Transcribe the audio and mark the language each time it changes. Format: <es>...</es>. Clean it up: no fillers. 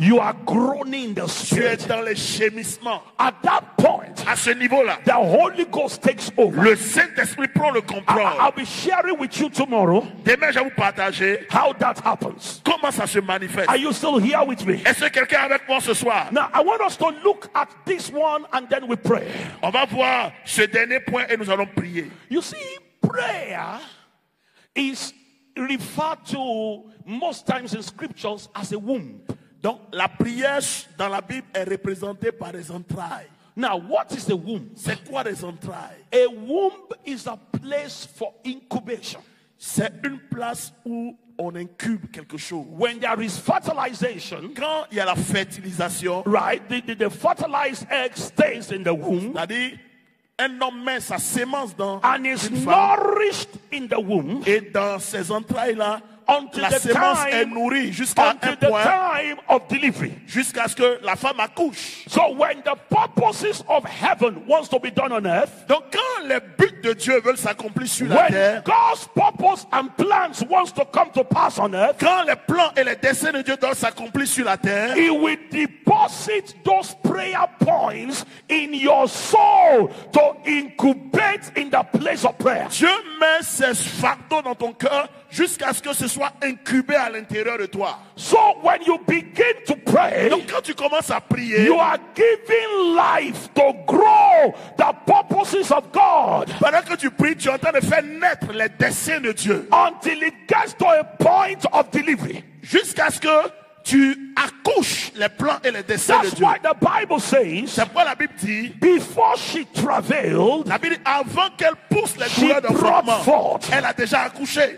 <en>You are groaning in the spirit.</en> <fr>Tu es dans les gémissements.</fr> <en>At that point,</en> <fr>à ce niveau-là,</fr> <en>the Holy Ghost takes over.</en> <fr>Le Saint-Esprit prend le contrôle.</fr> <en>I'll be sharing with you tomorrow.</en> <fr>Demain, je vais vous partager</fr> <en>how that happens.</en> <fr>Comment ça se manifeste?</fr> <en>Are you still here with me?</en> <fr>Est-ce que quelqu'un avec moi ce soir?</fr> <en>Now I want us to look at this one and then we pray.</en> <fr>On va voir ce dernier point et nous allons prier.</fr> <en>You see, prayer is referred to most times in scriptures as a womb.</en> <fr>Donc la prière dans la Bible est représentée par des entrailles.</fr> <en>Now, what is a womb?</en> <fr>C'est quoi des entrailles?</fr> <en>A womb is a place for incubation.</en> <fr>C'est une place où on incube quelque chose.</fr> <en>When there is fertilization,</en> <fr>quand il y a la fertilisation,</fr> <en>right, the fertilized egg stays in the womb.</en> <fr>C'est-à-dire, un homme met sa semence dans</fr> <en>and is nourished in the womb.</en> <fr>Et dans ces entrailles-là,</fr> <en>until</en> <fr>la</fr> <en>the</en> <fr>semence</fr> <en>time,</en> <fr>est nourrie jusqu'à un point,</fr> <en>time of delivery.</en> <fr>Jusqu'à ce que la femme accouche.</fr> <en>So when the purposes of heaven wants to be done on earth,</en> <fr>donc quand les buts de Dieu veulent s'accomplir sur</fr> <en>when</en> <fr>la terre,</fr> <en>God's purpose and plans wants to come to pass on earth,</en> <fr>quand les plans et les desseins de Dieu doivent s'accomplir sur la terre,</fr> <en>he will deposit those prayer points in your soul to incubate in the place of prayer.</en> <fr>Dieu met ces facteurs dans ton cœur jusqu'à ce que ce soit incubé à l'intérieur de toi.</fr> <en>So when you begin to pray,</en> <fr>donc quand tu commences à prier,</fr> <en>you are giving life to grow the purposes of God.</en> <fr>Pendant que tu pries, tu es en train de faire naître les desseins de Dieu.</fr> <en>Until it gets to a point of delivery.</en> <fr>Jusqu'à ce que tu accouches les plans et les desseins</fr> <en>That's</en> <fr>de Dieu.</fr> <en>Why the Bible says,</en> <fr>c'est pourquoi la Bible dit,</fr> <en>before she traveled,</en> <fr>la Bible dit, avant qu'elle pousse les douleurs d'enfantement, elle a déjà accouché.</fr>